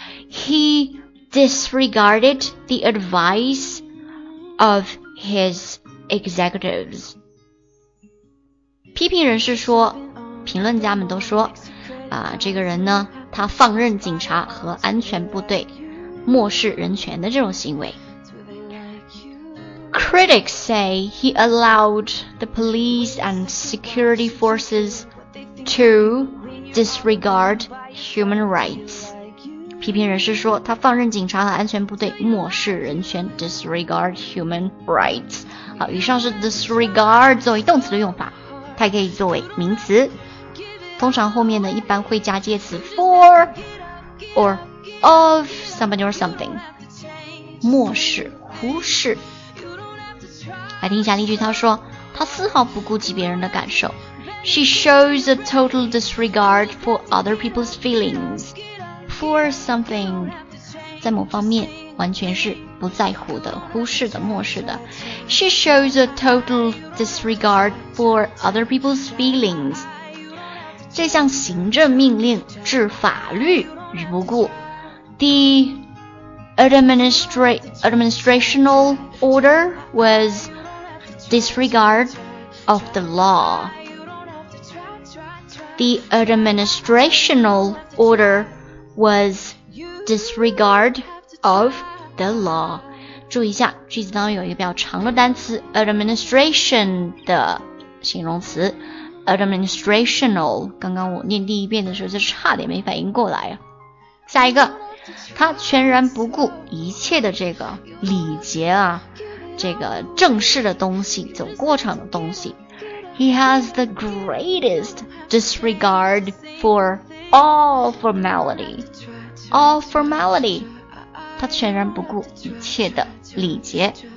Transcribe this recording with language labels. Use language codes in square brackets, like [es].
[en] He disregarded the advice of his executives. [zh] 批评人士说，评论家们都说，啊，这个人呢，他放任警察和安全部队漠视人权的这种行为。 [en] Critics say he allowed the police and security forces to disregard human rights. [zh] 批评人士说，他放任警察和安全部队漠视人权 ， [en] disregard human rights。 [zh] 好，以上是 disregard 作为动词的用法，它可以作为名词，通常后面呢一般会加介词 [en] for or of somebody or something。 [zh] 漠视，忽视。来听一下例句，他说他丝毫不顾及别人的感受。 [en] She shows a total disregard for other people's feelings for something. [zh] 在某方面完全是不在乎的，忽视的，漠视的。 [en] She shows a total disregard for other people's feelings. [zh] 这项行政命令置法律于不顾。 [en] The administrational order was disregard of the law. The administrational order was disregard of the law. [zh] 注意一下，句子当中有一个比较长的单词 administration 的形容词 administrational。刚刚我念第一遍的时候就差点没反应过来。下一个，他全然不顾一切的这个礼节啊，这个正式的东西，走过场的东西。 [en] He has the greatest disregard for all formality. All formality. [zh] 他全然不顾一切的礼节。